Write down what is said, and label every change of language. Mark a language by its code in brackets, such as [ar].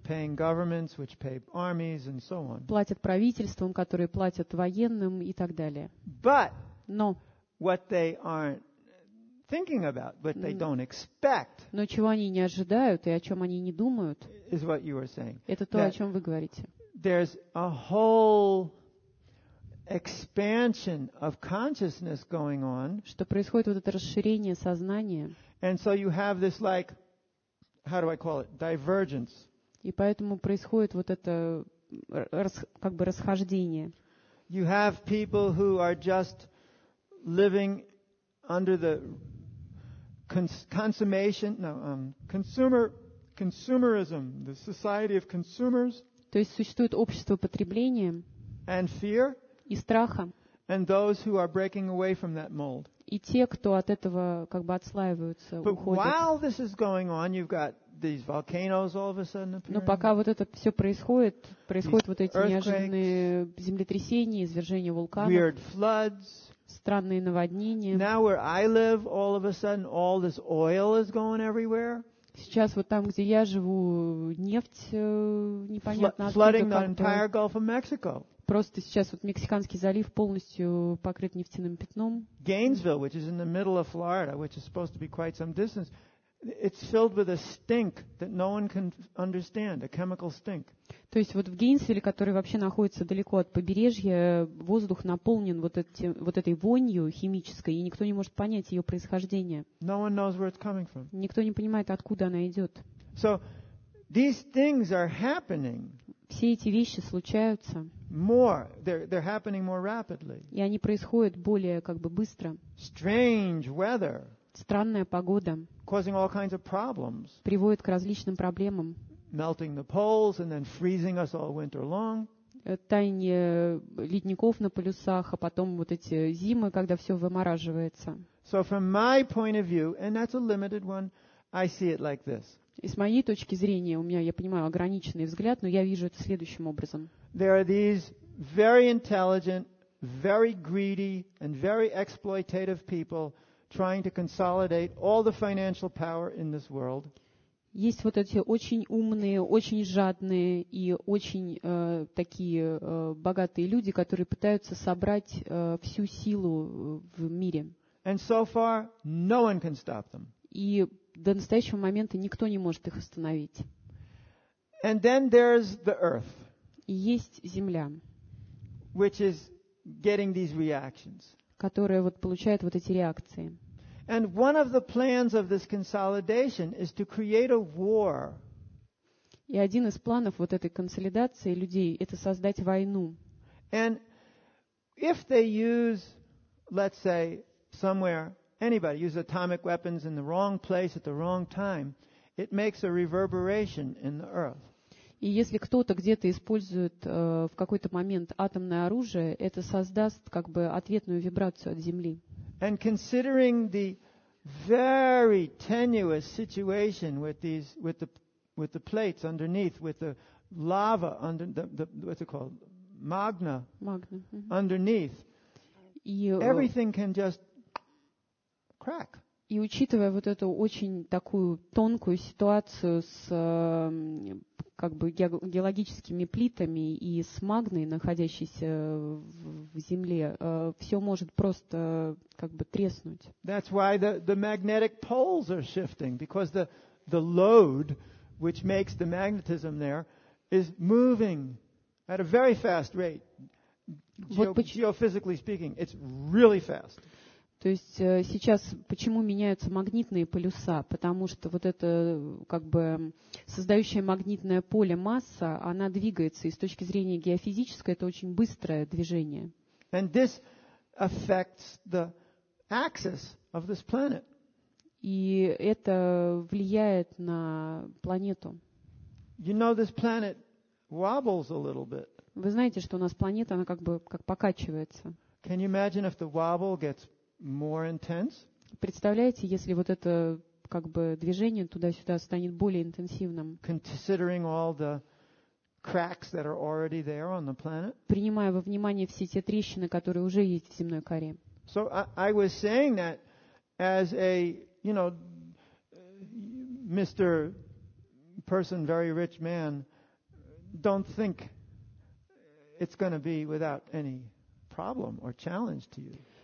[en] Paying governments, which pay armies and so on. [ru] Платят правительствам, которые платят военным и так далее. [en] But [ru] Но [en] what they aren't thinking about, what they don't expect. [ru] Но чего они не ожидают и о чем они не думают? [en] Is what you are saying. [ru] Это то, о чем вы говорите. [en] There's a whole expansion of consciousness going on. [ru] Что происходит вот это расширение сознания? [en] And so you have this like, how do I call it, divergence. [ru] И поэтому происходит вот это как бы расхождение. [en] You have people who are just living under the consumerism, the society of consumers. [ru] То есть существует общество потребления. [en] And fear. [ru] И страха. [en] And those who are breaking away from that mold. [ru] И те, кто от этого как бы отслаиваются, [en] But [ru] уходят. [en] While this is going on, you've got these volcanoes all of a sudden appearing. [ru] Но пока вот это все происходит, происходят вот эти неожиданные землетрясения, извержения вулканов. [en] Weird floods. [ru] Странные наводнения. [en] Now where I live, all of a sudden, all this oil is going everywhere. [ru] Сейчас вот там, где я живу, нефть непонятно откуда. [en] Flooding the entire Gulf of Mexico. [ru] Просто сейчас вот Мексиканский залив полностью покрыт нефтяным пятном. [en] Gainesville, which is in the middle of Florida, which is supposed to be quite some distance, It's filled with a stink that no one can understand, a chemical stink. [ru] То есть вот в Гейнсвилле, который вообще находится далеко от побережья, воздух наполнен вот этой вонью химической, и никто не может понять ее происхождение. [en] No one knows where it's coming from. [ru] Никто не понимает, откуда она идет. [en] So these things are happening. [ru] Все эти вещи случаются. [en] More, they're happening more rapidly. [ru] И они происходят более как бы быстро. [en] Strange weather. [ru] Странная погода [en] causing all kinds of problems, [ru] приводит к различным проблемам. [en] Melting the poles and then freezing us all winter long. [ru] Таяние ледников на полюсах, а потом вот эти зимы, когда все вымораживается. [en] So from my point of view, and that's a limited one, I see it like this. [ru] И с моей точки зрения, у меня, я понимаю, ограниченный взгляд, но я вижу это следующим образом. [en] There are these very intelligent, very greedy, and very exploitative people trying to consolidate all the financial power in this world. [ru] Есть вот эти очень умные, очень жадные и очень такие богатые люди, которые пытаются собрать всю силу в мире. [en] And so far, no one can stop them. [ru] И до настоящего момента никто не может их остановить. [en] And then there's the earth. [ru] Есть Земля, [en] which is getting these reactions. [ru] Которая вот получает вот эти реакции. [en] And one of the plans of this consolidation is to create a war. [ru] И один из планов вот этой консолидации людей это создать войну. [en] And if they use, let's say, somewhere, anybody use atomic weapons in the wrong place at the wrong time, it makes a reverberation in the earth. [ru] И если кто-то где-то использует в какой-то момент атомное оружие, это создаст как бы ответную вибрацию от Земли. [en] And considering the very tenuous situation with these with the plates underneath, with the lava under the what's it called? Magma. Mm-hmm. Underneath. Everything can just crack. [ru] И учитывая вот эту очень такую тонкую ситуацию с как бы геологическими плитами и с магмой, находящейся в земле, все может просто как бы треснуть. [en] That's why the magnetic poles are shifting, because the load, which makes the magnetism there, is moving at a very fast rate. Geophysically speaking, it's really fast. [ru] То есть сейчас почему меняются магнитные полюса? Потому что вот это как бы создающее магнитное поле масса, она двигается, и с точки зрения геофизической это очень быстрое движение. [en] And this affects the axis of this planet. [ru] И это влияет на планету. [en] You know, this planet wobbles a little bit. [ru] Вы знаете, что у нас планета, она как бы как покачивается. [en] Can you imagine if the wobble gets more intense? [ru] Представляете, если вот это как бы движение туда-сюда станет более интенсивным? [en] Considering all the cracks that are already there on the planet? [ru] Принимая во внимание все те трещины, которые уже есть в земной коре. [en] So I was saying that as a, you know, Mr. person, very rich man, don't think it's going to be without any problem or challenge to you.